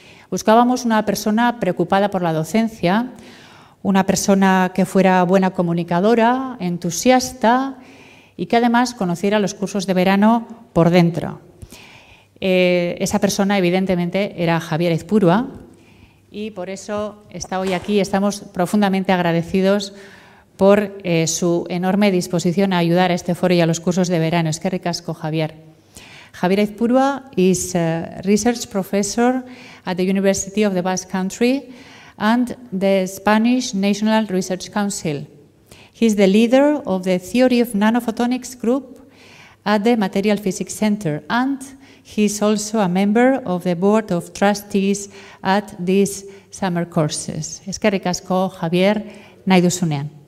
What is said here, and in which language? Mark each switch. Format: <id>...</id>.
<es>Buscábamos una persona preocupada por la docencia, una persona que fuera buena comunicadora, entusiasta y que además conociera los cursos de verano por dentro. Esa persona, evidentemente, era Javier Aizpurua, y por eso está hoy aquí. Estamos profundamente agradecidos por su enorme disposición a ayudar a este foro y a los cursos de verano. Es que ricasco, Javier.</es> <en>Javier Aizpurua is a research professor at the University of the Basque Country and the Spanish National Research Council. He's the leader of the Theory of Nanophotonics group at the Material Physics Center, and he is also a member of the board of trustees at these summer courses.</en> <eu>Eskerrik asko, Javier, nahi duzunean.</eu>